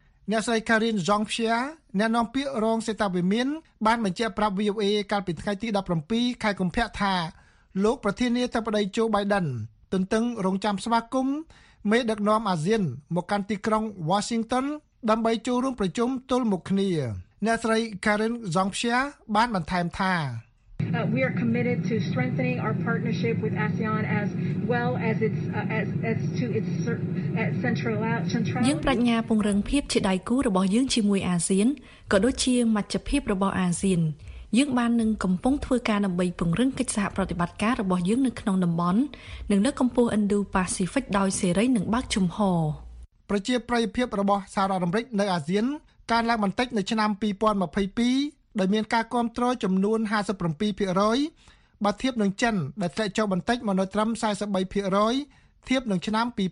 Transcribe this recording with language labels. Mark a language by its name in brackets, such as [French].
[Khmer] អ្នកស្រី Karin Jean-Pierre អ្នកនាំពាក្យរងសេតាវិមានបានបញ្ជាក់ប្រាប់ VOA កាលពីថ្ងៃទី17ខែកុម្ភៈថាលោកប្រធានាធិបតី Joe Biden ទន្ទឹងរង់ចាំស្វាគមន៍មេដឹកនាំអាស៊ានមកកាន់ទីក្រុង Washington ដើម្បីចូលរួមប្រជុំទល់មុខគ្នាអ្នកស្រី Karin Jean-Pierre បានបន្ថែមថា [English] We are committed to strengthening our partnership with ASEAN as well as its as to its central [Khmer] យើងប្រាជ្ញាពង្រឹងភាពជាដៃគូរបស់យើងជាមួយអាស៊ានក៏ដូចជាមជ្ឈភាពរបស់អាស៊ានយើងបាននឹងកំពុងធ្វើការដើម្បីពង្រឹងកិច្ចសហប្រតិបត្តិការរបស់យើងនៅក្នុងតំបន់និងនៅកម្ពុជា Indo-Pacific ដោយសេរីនិងបើកចំហ ប្រជាប្រិយភាពរបស់សហរដ្ឋអាមេរិកនៅអាស៊ានកើនឡើងបន្តិចនៅឆ្នាំ2022ដែលមានការគាំទ្រចំនួន 57% បើធៀបនឹងចិនដែលធ្លាក់ចុះបន្តិចមកនៅត្រឹម 43% ធៀបនឹងឆ្នាំ